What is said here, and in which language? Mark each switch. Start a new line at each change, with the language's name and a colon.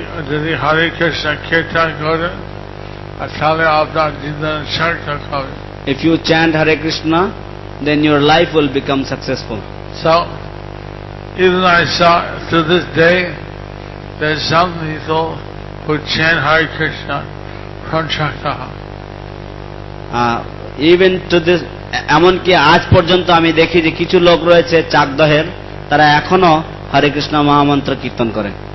Bangla: যদি হরে কৃষ্ণ কীর্তন করেন তাহলে আপনার জীবন সার্থক হবে
English: If you chant Hare Krishna then your life will become successful. So, even I saw to this day, there are some people who chant Hare Krishna from Chaktaha. Even to this
Bangla: এমনকি আজ পর্যন্ত আমি দেখি যে কিছু লোক রয়েছে চাকদহের, তারা এখনো হরে কৃষ্ণ মহামন্ত্র কীর্তন করে।